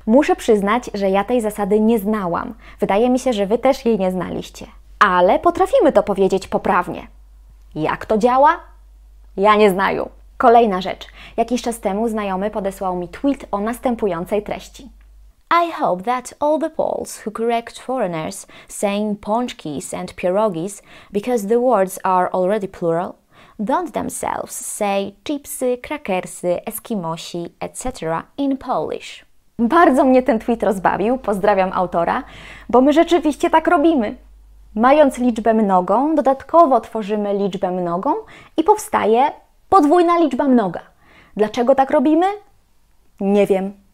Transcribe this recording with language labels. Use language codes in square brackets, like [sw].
[pl] Muszę przyznać, że ja tej zasady nie znałam. Wydaje mi się, że Wy też jej nie znaliście. Ale potrafimy to powiedzieć poprawnie. Jak to działa? [ru] Ja nie znaju. [pl] Kolejna rzecz. Jakiś czas temu znajomy podesłał mi tweet o następującej treści. [en] I hope that all the Poles who correct foreigners saying pączkis and pierogis, because the words are already plural, don't themselves say chipsy, krakersy, eskimosi, etc. in Polish. [pl] Bardzo mnie ten tweet rozbawił, pozdrawiam autora, bo my rzeczywiście tak robimy. Mając liczbę mnogą, dodatkowo tworzymy liczbę mnogą i powstaje podwójna liczba mnoga. Dlaczego tak robimy? Nie wiem.